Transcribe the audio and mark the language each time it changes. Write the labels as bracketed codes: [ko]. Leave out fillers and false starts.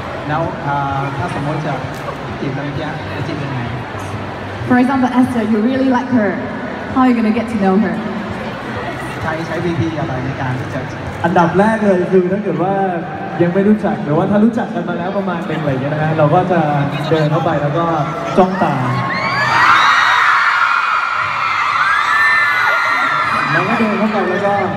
[th] now ถ้าสมมติจะจีบกันเนี่ยจะจีบยังไง [en] for example Esther you really like herHow are you gonna get to know her? [th] ใช้วิธีอะไรในการที่จะ อันดับแรกเลยคือถ้าเกิดว่ายังไม่รู้จักหรือว่าถ้ารู้จักกันมาแล้วประมาณเป็นอะไรเงี้ยนะเราก็จะเดินเข้าไปแล้วก็จ้องตาแล้วก็เดินเข้าไปแล้วก